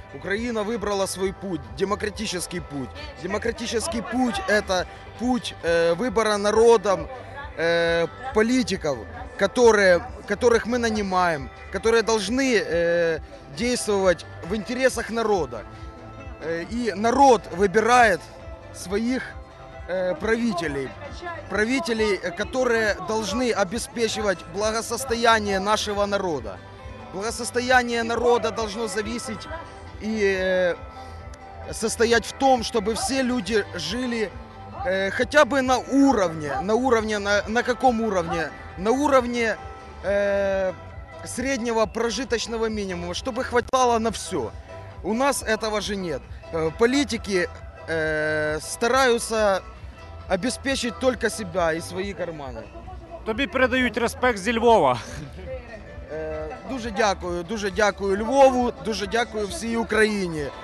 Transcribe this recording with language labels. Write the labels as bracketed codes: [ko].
[uk] Україна вибрала свій путь, демократичний путь. Демократичний путь – це путь вибору народом політиків, яких ми нанімаємо, які повинні діяти в інтересах народу. І народ вибирає своїх правителей, які повинні обеспечувати благосостояние нашого народу. [ru] Благосостояние народа должно зависеть и состоять в том, чтобы все люди жили хотя бы на каком уровне? На уровне среднего прожиточного минимума, чтобы хватало на все. У нас этого же нет. Политики стараются обеспечить только себя и свои карманы. [uk] Тобі передають респект зі Львова. Дуже дякую Львову, дуже дякую всій Україні.